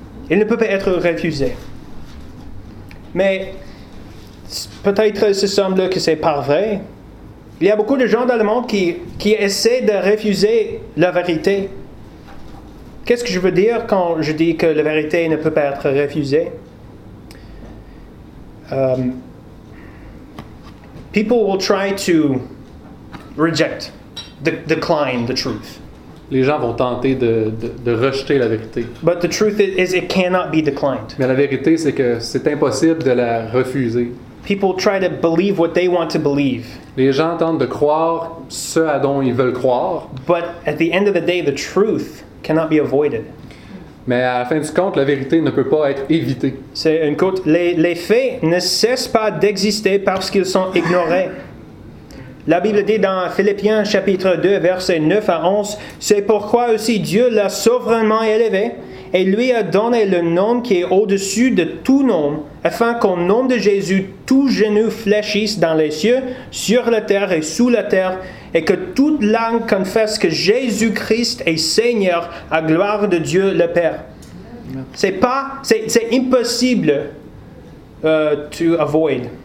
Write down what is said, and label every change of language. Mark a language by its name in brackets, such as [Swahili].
[French] Elle ne peut pas être refusée. Mais peut-être ce semble que c'est pas vrai. Il y a beaucoup de gens dans le monde qui essaient de refuser la vérité. Qu'est-ce que je veux dire quand je dis que la vérité ne peut pas être refusée? [English] People will try to reject, decline the truth. [French] Les gens vont tenter de rejeter la vérité. [English] But the truth is it cannot be declined. [French] Mais la vérité, c'est que c'est impossible de la refuser. [English] People try to believe what they want to believe. [French] Les gens tentent de croire ce à dont ils veulent croire. [English] But at the end of the day, the truth cannot be avoided. [French] Mais à la fin du compte, la vérité ne peut pas être évitée. C'est une quote. Les faits ne cessent pas d'exister parce qu'ils sont ignorés. La Bible dit dans Philippiens chapitre 2, versets 9 à 11, « C'est pourquoi aussi Dieu l'a souverainement élevé et lui a donné le nom qui est au-dessus de tout nom, afin qu'au nom de Jésus, tout genou fléchisse dans les cieux, sur la terre et sous la terre, et que toute langue confesse que Jésus-Christ est Seigneur à gloire de Dieu le Père. » C'est impossible [English] to avoid.